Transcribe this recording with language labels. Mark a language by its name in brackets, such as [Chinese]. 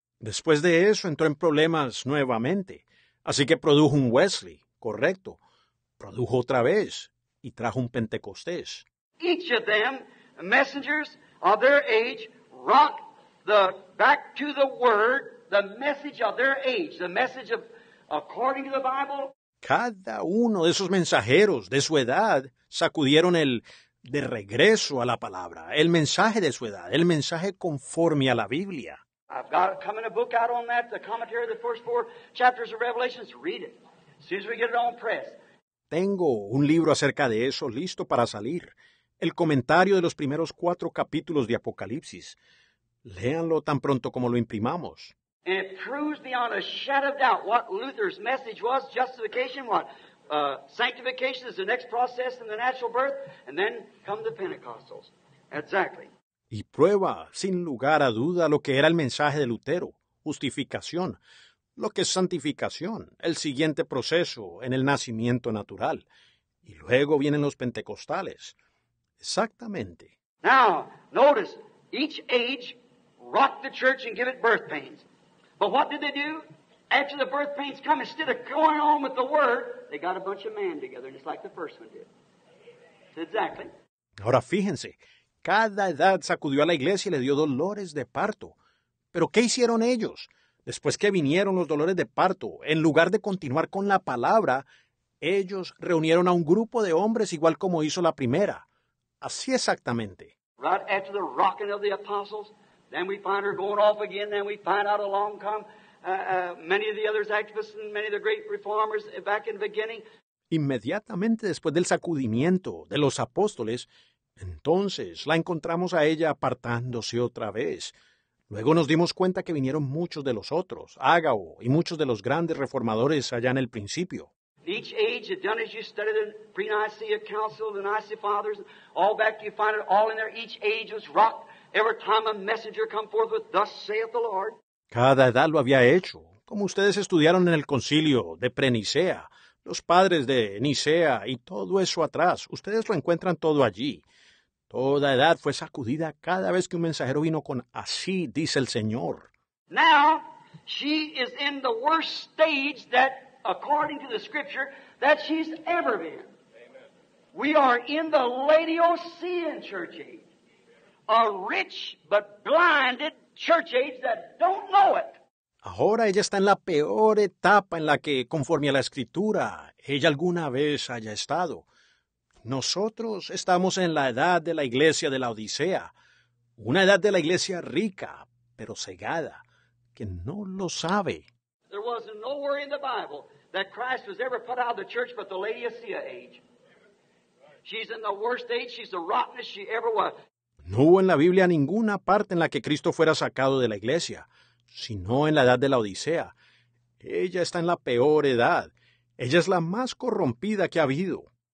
[Spanish] Después de eso, entró en problemas nuevamente. Así que produjo un Wesley. Correcto. Produjo otra vez, y trajo un Pentecostés. [English] Each of them, messengers of their age, rocked the back to the word, the message of their age, the message of according to the Bible. [Spanish] Cada uno de esos mensajeros de su edad sacudieron el de regreso a la palabra, el mensaje de su edad, el mensaje conforme a la Biblia. [English] I've got coming a book out on that, the commentary of the first four chapters of Revelation. Read it. As soon as we get it on press. [Spanish] Tengo un libro acerca de eso listo para salir. El comentario de los primeros cuatro capítulos de Apocalipsis. Léanlo tan pronto como lo imprimamos. [English] And it proves beyond a shadow of doubt what Luther's message was, justification, what? Sanctification is the next process in the natural birth, and then come the Pentecostals. Exactly. [Spanish] Y prueba, sin lugar a duda, lo que era el mensaje de Lutero, justificación, lo que es santificación, el siguiente proceso en el nacimiento natural. Y luego vienen los pentecostales. Exactamente. [English] Now, notice, each age rocked the church and gave it birth pains. But what did they do? After the birth pains come, instead of going on with the word, they got a bunch of men together, just like the first one did. Exactly. [Spanish] Ahora fíjense, cada edad sacudió a la iglesia y le dio dolores de parto. Pero ¿qué hicieron ellos? Después que vinieron los dolores de parto, en lugar de continuar con la palabra, ellos reunieron a un grupo de hombres igual como hizo la primera. Así exactamente. [English] Right after the rocking of the apostles, then we find her going off again. Then we find out along come many of the others, activists and many of the great reformers back in the beginning. [Spanish] Inmediatamente después del sacudimiento de los apóstoles, entonces la encontramos a ella apartándose otra vez. Luego nos dimos cuenta que vinieron muchos de los otros, Ágabo y muchos de los grandes reformadores allá en el principio. [English] Each age had done as you studied the pre-Nicaea Council, the Nicaea Fathers, all back you find it all in there. Each age was rocked. Every time a messenger come forth with, thus saith the Lord. [Spanish] Cada edad lo había hecho, como ustedes estudiaron en el concilio de pre-Nicea, los padres de Nicea y todo eso atrás. Ustedes lo encuentran todo allí. Toda edad fue sacudida cada vez que un mensajero vino con así dice el Señor. [English] Now she is in the worst stage that according to the scripture that she's ever been. Amen. We are in the Laodicean church age. A rich but blinded church age that don't know it. [Spanish] Ahora ella está en la peor etapa en la que, conforme a la Escritura, ella alguna vez haya estado. Nosotros estamos en la edad de la iglesia de la Odisea, una edad de la iglesia rica, pero cegada, que no lo sabe. [English] There was nowhere in the Bible that Christ was ever put out of the church but the Laodicea age. She's in the worst age, she's the rottenest she ever was. [Spanish] No hubo en la Biblia ninguna parte en la que Cristo fuera sacado de la iglesia, sino en la edad de la Odisea. Ella está en la peor edad. Ella es la más corrompida que ha habido.